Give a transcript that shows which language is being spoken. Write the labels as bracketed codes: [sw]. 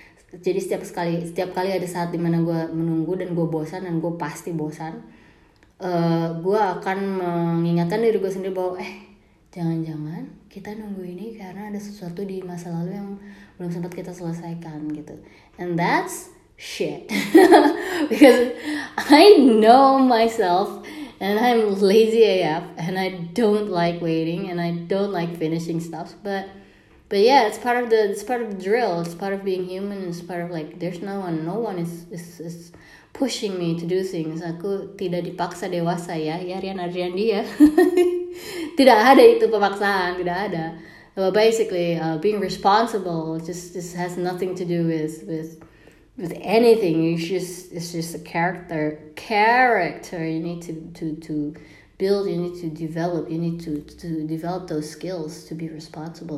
[id] Jadi setiap kali ada saat dimana gue menunggu dan gue bosan, dan gue pasti bosan, gue akan mengingatkan diri gue sendiri bahwa jangan-jangan kita nunggu ini karena ada sesuatu di masa lalu yang belum sempat kita selesaikan gitu. [en] And that's shit. Because I know myself and I'm lazy AF and I don't like waiting and I don't like finishing stuff. But yeah, it's part of the drill. It's part of being human. It's part of like there's no one. No one is pushing me to do things. [id] Aku tidak dipaksa dewasa ya. Ya Rian Ariandi ya. Tidak ada itu pemaksaan, tidak ada. [en] But basically, being responsible just has nothing to do with anything. It's just a character you need to build, you need to develop, you need to develop those skills to be responsible.